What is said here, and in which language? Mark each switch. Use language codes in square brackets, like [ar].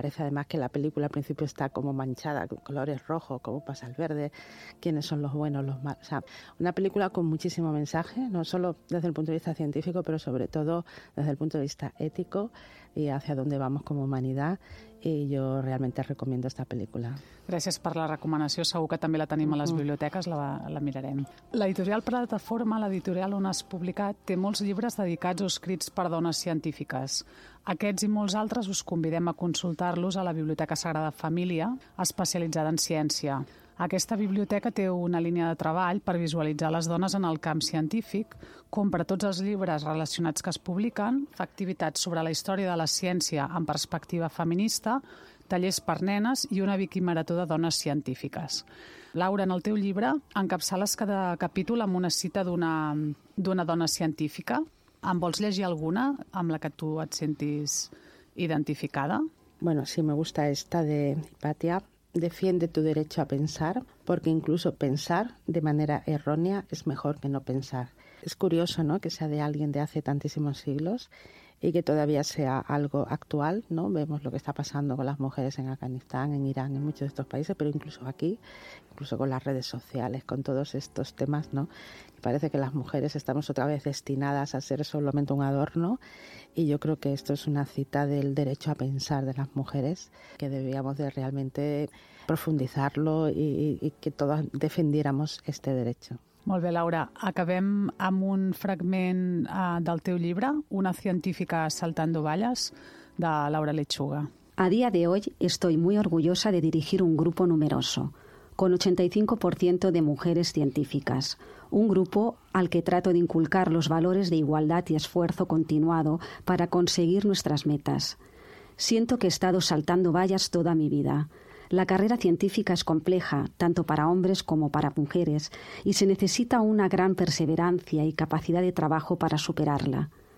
[es] Parece además que la película al principio está como manchada, con colores rojos, cómo pasa el verde, quiénes son los buenos, los malos. O sea, una película con muchísimo mensaje, no solo desde el punto de vista científico, pero sobre todo desde el punto de vista ético y hacia dónde vamos como humanidad. Y yo realmente recomiendo esta película. [ca] Gràcies per la recomanació. Segur que també la tenim a les biblioteques, la mirarem. L'editorial Plataforma, l'editorial on has publicat, té molts llibres dedicats o escrits per dones científiques. Aquests i molts altres us convidem a consultar-los a la Biblioteca Sagrada Família, especialitzada en ciència. Aquesta biblioteca té una línia de treball per visualitzar les dones en el camp científic, compra tots els llibres relacionats que es publiquen, fa activitats sobre la història de la ciència amb perspectiva feminista, tallers per nenes i una viquimarató de dones científiques. Laura, en el teu llibre encapçales cada capítol amb una cita d'una dona científica. En vols llegir alguna amb la que tu et sentis identificada? [es] Bueno, sí, me gusta esta de Hipatia. Defiende tu derecho a pensar, porque incluso pensar de manera errónea es mejor que no pensar. Es curioso, ¿no?, que sea de alguien de hace tantísimos siglos y que todavía sea algo actual, ¿no? Vemos lo que está pasando con las mujeres en Afganistán, en Irán, en muchos de estos países, pero incluso aquí, incluso con las redes sociales, con todos estos temas, ¿no? Parece que las mujeres estamos otra vez destinadas a ser solamente un adorno, y yo creo que esto es una cita del derecho a pensar de las mujeres, que debíamos de realmente profundizarlo y que todas defendiéramos este derecho. [ca] Molt bé, Laura. Acabem amb un fragment del teu llibre, Una científica saltando vallas, de Laura Lechuga. [es] A día de hoy estoy muy orgullosa de dirigir un grupo numeroso, con 85% de mujeres científicas. Un grupo al que trato de inculcar los valores de igualdad y esfuerzo continuado para conseguir nuestras metas. Siento que he estado saltando vallas toda mi vida. La carrera científica es compleja, tanto para hombres como para mujeres, y se necesita una gran perseverancia y capacidad de trabajo para superarla.